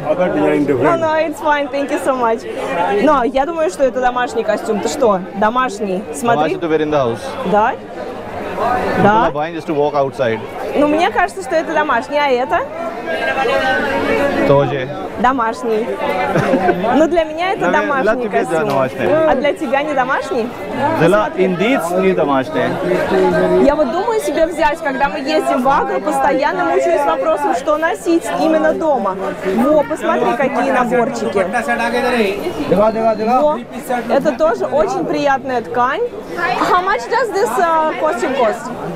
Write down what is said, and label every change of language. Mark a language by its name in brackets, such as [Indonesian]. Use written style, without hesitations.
[English] No, it's fine, thank you so much. [Russian] Но я думаю, что это домашний костюм. Ты что, домашний? Смотри. Домашний, [English] wear in the house. [Russian] Да? Да. [English] Buying just to walk outside. [Russian] Ну, мне кажется, что это домашний, а это? Тоже. Домашний. Ну, для меня это домашний костюм. А для тебя не домашний? Для индийцев не домашний. Я вот думаю себе взять, когда мы ездим в Агру, постоянно мучаюсь вопросом, что носить именно дома. Во, посмотри, какие наборчики. Во, это тоже очень приятная ткань. [English] How much does this costume cost?